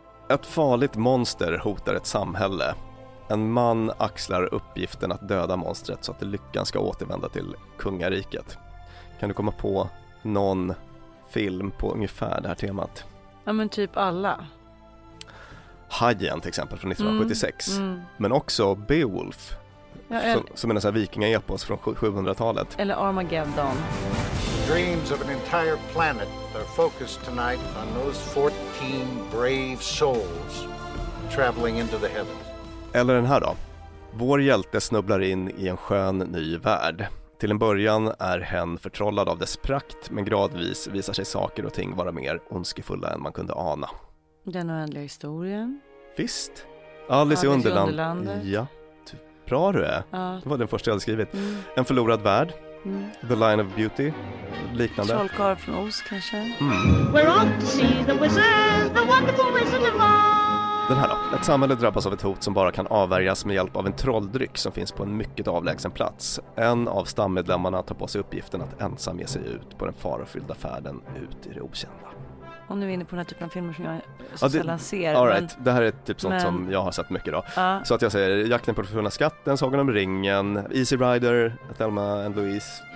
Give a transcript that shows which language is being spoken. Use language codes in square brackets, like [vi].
[sv] Ett farligt monster hotar ett samhälle. En man axlar uppgiften att döda monstret så att lyckan ska återvända till kungariket. Kan du komma på någon film på ungefär det här temat? Ja, men typ alla. Hajen till exempel från 1976. Mm, mm. Men också Beowulf. Ja, som är en sån här vikingaepos från 700-talet. Eller Armageddon. [en] Dreams of an entire planet are focused tonight on those 14 brave souls traveling into the heavens. [sv] Eller den här då. Vår hjälte snubblar in i en skön ny värld. Till en början är hen förtrollad av dess prakt, men gradvis visar sig saker och ting vara mer ondskefulla än man kunde ana. Den oändliga historien. Visst. Alice i underlandet. Ja. Bra du är. Ja. Det var den första jag hade skrivit. Mm. En förlorad värld. Mm. The Line of Beauty. Liknande. Trollkarl från Oz kanske. Mm. [en] We're on to see the wizard, the wonderful wizard of Oz. [sv] Den här då. Ett samhälle drabbas av ett hot som bara kan avvärjas med hjälp av en trolldryck som finns på en mycket avlägsen plats. En av stammedlemmarna tar på sig uppgiften att ensam ge sig ut på den farofyllda färden ut i det okända. Om du är inne på den här typen av filmer som jag så sällan ser. [en] All right, [sv] men, det här är typ sånt men, som jag har sett mycket då. Så att jag säger, Jakten på den försvunna skatten, Sagan om ringen, Easy Rider, Thelma and Louise.